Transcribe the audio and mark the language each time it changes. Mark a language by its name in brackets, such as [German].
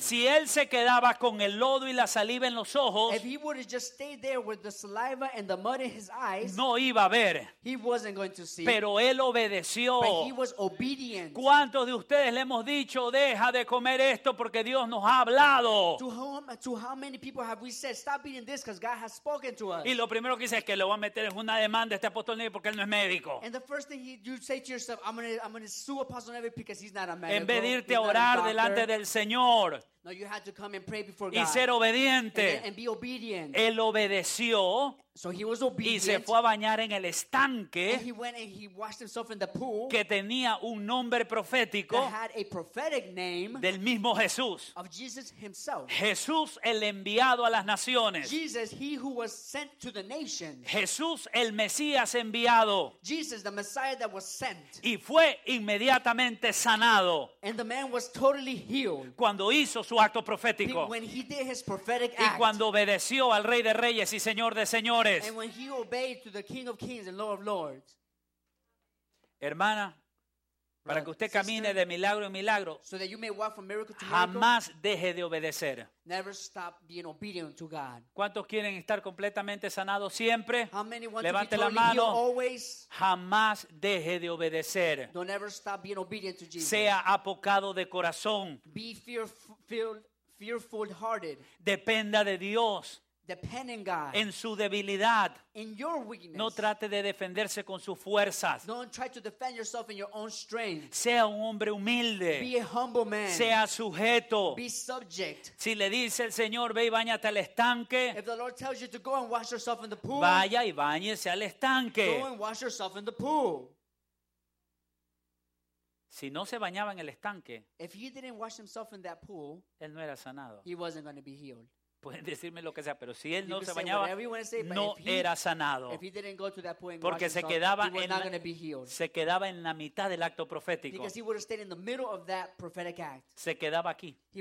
[Spanish] Si él se quedaba con el lodo y la saliva en los ojos, [English] if he would have just stayed there with the saliva and the mud in his eyes, [Spanish] no iba a ver. [English] He wasn't going to see. [Spanish] Pero él obedeció. [English] But he was obedient. [Spanish] ¿Cuántos de ustedes le hemos dicho, deja de comer esto porque Dios nos ha hablado? [English] To how many people have have we said, stop beating this because God has spoken to us. [Spanish] Y lo primero que dice es que le voy a meter en una demanda a este apóstol Neville porque él no es médico. [English] And the first thing you say to yourself, I'm gonna sue Apostle Neville because he's not a medical. [Spanish] En vez de irte a orar delante del Señor. [English] No, you had to come and pray before [Spanish] y [English] God. [Spanish] Y ser obediente. [English] And be obedient. [Spanish] Él obedeció. [English] So he was obedient. [Spanish] Y se fue a bañar en el estanque. [English] And he went and he washed himself in the pool. [Spanish] Que tenía un nombre profético. [English] That had a prophetic name. [Spanish] Del mismo Jesús. [English] Of Jesus himself. [Spanish] Jesús, el enviado a las naciones. [English] Jesus, he who was sent to the nations. [Spanish] Jesús, el Mesías enviado. [English] Jesus, the Messiah that was sent. [Spanish] Y fue inmediatamente sanado. [English] And the man was totally healed. [Spanish] Cuando hizo su acto profético [English] when he did his prophetic act. [Spanish] Y cuando obedeció al Rey de Reyes y Señor de Señores. [English] And when he obeyed to the King of Kings and Lord of Lords. [Spanish] Hermana, para que usted camine de milagro en milagro, [English] so that you may walk from miracle to miracle, [Spanish] jamás deje de obedecer. [English] Never stop being obedient to God. [Spanish] ¿Cuántos quieren estar completamente sanados siempre? [English] How many want [Spanish] levante [English] to be [Spanish] la mano. [English] Always? [Spanish] Jamás deje de obedecer. [English] Don't ever stop being obedient to Jesus. [Spanish] Sea apocado de corazón. [English] Be fearful hearted. [Spanish] Dependa de Dios. [English] Depend in God. [Spanish] En su debilidad. [English] In your weakness. [Spanish] No trate de defenderse con sus fuerzas. [English] Don't try to defend yourself in your own strength. [Spanish] Sea un hombre humilde. [English] Be a humble man. [Spanish] Sea sujeto. [English] Be subject. [Spanish] Si le dice el Señor, ve y báñate al estanque. [English] If the Lord tells you to go and wash yourself in the pool. [Spanish] Vaya y báñese al estanque. [English] Go and wash yourself in the pool. [Spanish] Si no se bañaba en el estanque, [English] if he didn't wash himself in that pool, [Spanish] él no era sanado. [English] He wasn't going to be healed. [Spanish] Pueden decirme lo que sea, pero si él no se bañaba, no era sanado. Porque se quedaba en la mitad del acto profético. Se quedaba aquí.